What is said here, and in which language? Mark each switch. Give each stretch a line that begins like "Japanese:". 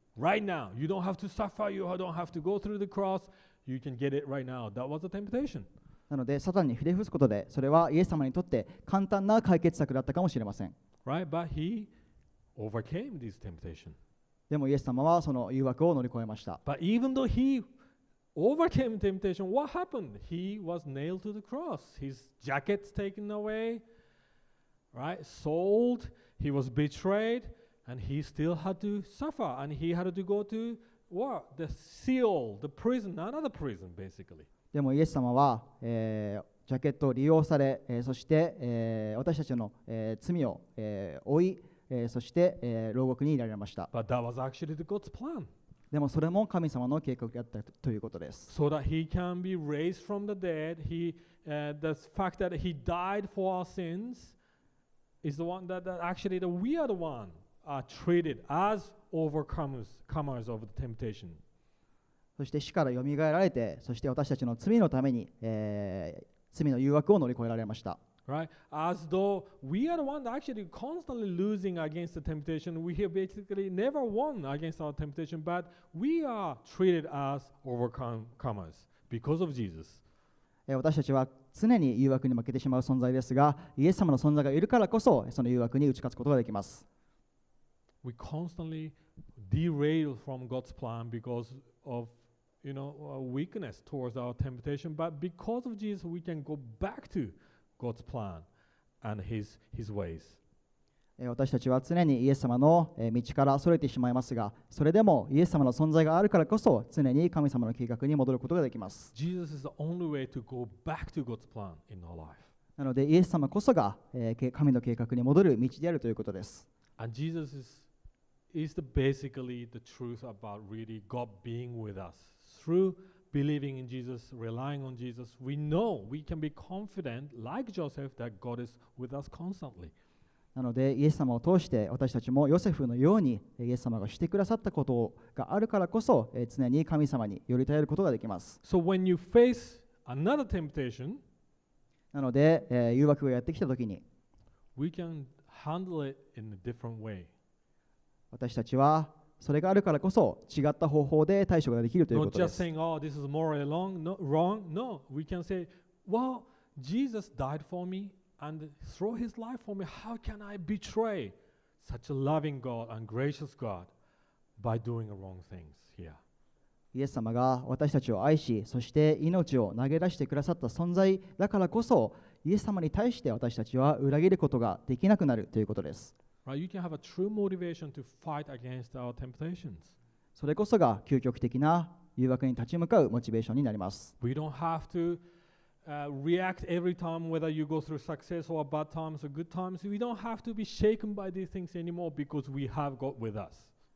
English: Right now, you don't have to suffer, you don't have to go through the cross, you can get it right now. That was a temptation.
Japanese: なので、サタンにひれ伏すことで、それはイエス様にとって簡単な解決策だったかもしれません。
English: Right, but he overcame this temptation.
Japanese: でもイエス様はその誘惑を乗り越えました。
English: But even though he overcame temptation, what happened? He was nailed to the cross. His jacket's taken away, right? Sold, he was betrayed. And he still had to suffer, and he had to go to what? The seal, the prison, another prison, basically.
Japanese: でもイエス様は、ジャケットを利用され、そして、私たちの、罪を、負い、そして、牢獄にいられました。
English: But that was actually the God's plan.
Japanese: でもそれも神様の計画だったということです。
English: So that he can be raised from the dead, the fact that he died for our sins is the one that actually that we are the one. Are treated as overcomers of the temptation.
Japanese: そして死からよみがえられて、そして私たちの罪のために、罪の誘惑を乗り越えられました。
English: Right, as though we are the one that actually constantly losing against the temptation, we have basically never won against our temptation, but we are treated as overcomers because of Jesus.
Japanese: 私たちは常に誘惑に負けてしまう存在ですが、イエス様の存在がいるからこそその誘惑に打ち勝つことができます。
English: We constantly derail from God's plan because of, you know, our weakness towards our temptation. But because of Jesus, we can go back to God's plan and His ways.
Japanese: 私たちは常にイエス様の道から逸れてしまいますが、それでもイエス様の存在があるからこそ常に神様の計画に戻ることができます。
English: Jesus is the only way to go back to God's plan in our life.
Japanese: なのでイエス様こそが神の計画に戻る道であるということです。
English: And Jesus is basically the truth about really God being with us. Through believing in Jesus, relying on Jesus, we know we can be confident, like Joseph, that God is with us constantly.
Japanese: なので、イエス様を通して私たちもヨセフのようにイエス様がしてくださったことがあるからこそ常に神様により頼ることができます。
English: So when you face another temptation,
Japanese: なので、誘惑がやってきたときに
English: we can handle it in a different way.
Japanese: 私たちはそれがあるからこそ違った方法で対処ができるということです。
English: Not just saying, oh, this is morally wrong. No, we can say, well, Jesus died for me and threw his life for me. How can I betray such a loving God and gracious God by doing the wrong things here?
Japanese: イエス様が私たちを愛し、そして命を投げ出してくださった存在だからこそ、イエス様に対して私たちは裏切ることができなくなるということです。
English: Right, you can have a true motivation to fight against our temptations.
Japanese: それこそが究極的な誘惑に立ち向かうモチベーションになります。
English: We don't have to react every time whether you go through success or bad times or good times. We don't have to be shaken by these things anymore because we have God with us.